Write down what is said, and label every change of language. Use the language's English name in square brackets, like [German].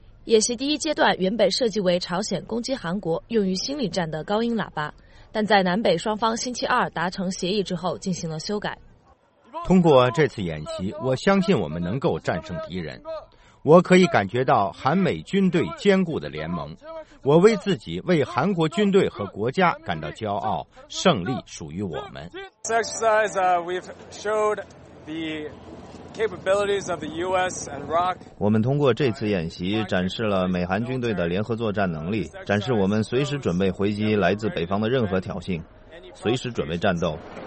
[Chinese] 演习第一阶段原本设计为朝鲜攻击韩国用于心理战的高音喇叭，但在南北双方星期二达成协议之后进行了修改。通过这次演习，我相信我们能够战胜敌人。我可以感觉到韩美军队坚固的联盟，我为自己、为韩国军队和国家感到骄傲，胜利属于我们。 [English] This exercise, we've showed the capabilities of the US and ROK. [Chinese] 我们通过这次演习展示了美韩军队的联合作战能力，展示我们随时准备回击来自北方的任何挑衅，随时准备战斗。